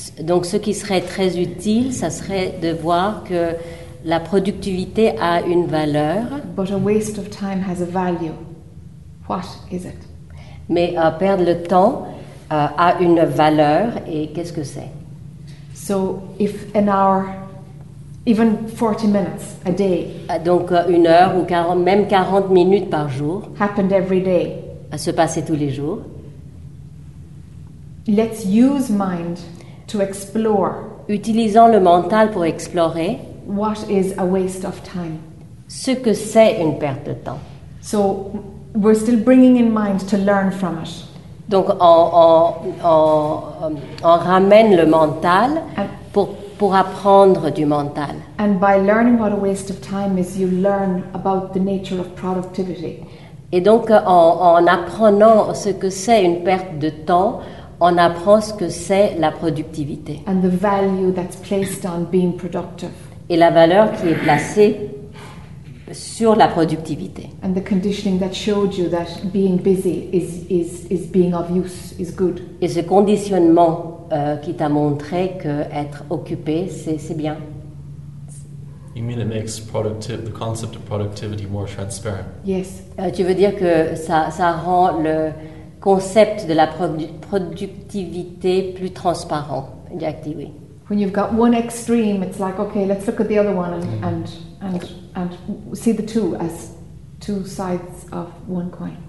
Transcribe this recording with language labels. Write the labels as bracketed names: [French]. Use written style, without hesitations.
[French] Donc, ce qui serait très utile, ça serait de voir que la productivité a une valeur. [English] But a waste of time has a value. What is it? [French] Mais perdre le temps a une valeur, et qu'est-ce que c'est? [English] So, if an hour, even 40 minutes a day. [French] Donc, une heure ou 40, même 40 minutes par jour. [English] Happened every day. [French] À se passer tous les jours. [English] Let's use mind to explore. [French] Utilisons le mental pour explorer. [English] What is a waste of time? [French] Ce que c'est une perte de temps. [English] So we're still bringing in mind to learn from it. [French] Donc on ramène le mental pour apprendre du mental. [English] And by learning what a waste of time is, you learn about the nature of productivity. [French] Et donc, en apprenant ce que c'est une perte de temps, on apprend ce que c'est la productivité. [English] And the value that's placed on being productive. [French] Et la valeur qui est placée sur la productivité. [English] And the conditioning that showed you that being busy is being of use is good. [French] Et ce conditionnement qui t'a montré que être occupé c'est bien. [English] You mean it makes the concept of productivity more transparent? Yes. [French] Tu veux dire que ça rend le concept de la productivité plus transparent, Jacti, oui. [English] When you've got one extreme, it's like, okay, let's look at the other one and see the two as two sides of one coin.